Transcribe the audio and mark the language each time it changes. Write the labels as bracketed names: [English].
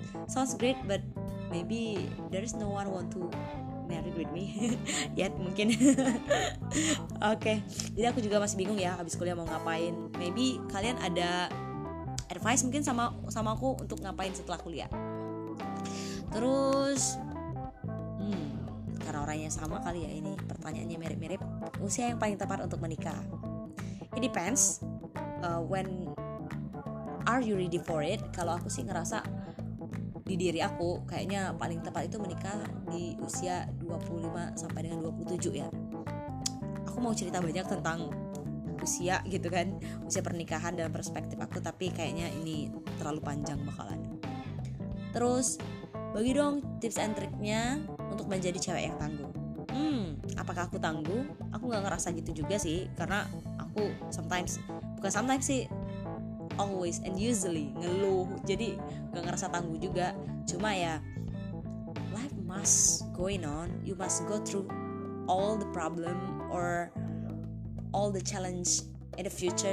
[English] Sounds great, but maybe there is no one want to married with me yet [Indonesian] mungkin. [English] Okay. [Indonesian] Jadi aku juga masih bingung ya abis kuliah mau ngapain. [English] Maybe [Indonesian] kalian ada advice mungkin sama aku untuk ngapain setelah kuliah. Terus karena orangnya sama kali ya, ini pertanyaannya mirip-mirip. Usia yang paling tepat untuk menikah, [English] it depends when are you ready for it. [Indonesian] Kalau aku sih ngerasa di diri aku kayaknya paling tepat itu menikah di usia 25 sampai dengan 27 ya. Aku mau cerita banyak tentang usia gitu kan, usia pernikahan dalam perspektif aku, tapi kayaknya ini terlalu panjang bakalan. Terus bagi dong tips and triknya untuk menjadi cewek yang tangguh. Apakah aku tangguh? Aku gak ngerasa gitu juga sih, karena aku [English] sometimes, [Indonesian] bukan sometimes sih, [English] always and usually [Indonesian] ngeluh. Jadi gak ngerasa tangguh juga. Cuma ya, [English] life must going on. You must go through all the problem or all the challenge in the future.